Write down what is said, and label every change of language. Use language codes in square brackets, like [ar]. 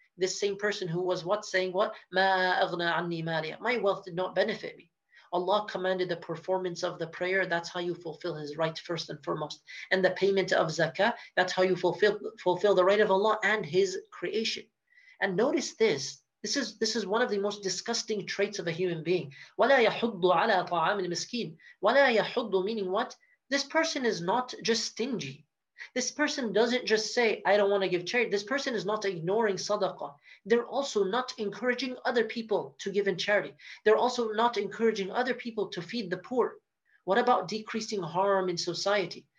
[en] This same person who was what? Saying what? [ar] مَا أَغْنَى عَنِّي مَالِيَ [en] My wealth did not benefit me. Allah commanded the performance of the prayer. That's how you fulfill his right first and foremost. And the payment of zakah, that's how you fulfill the right of Allah and his creation. And notice this. This is one of the most disgusting traits of a human being. [ar] وَلَا يَحُضُّ عَلَىٰ طَعَامِ الْمِسْكِينِ وَلَا يَحُضُّ [en] meaning what? This person is not just stingy. This person doesn't just say, I don't want to give charity. This person is not ignoring sadaqah. They're also not encouraging other people to give in charity. They're also not encouraging other people to feed the poor. What about decreasing harm in society?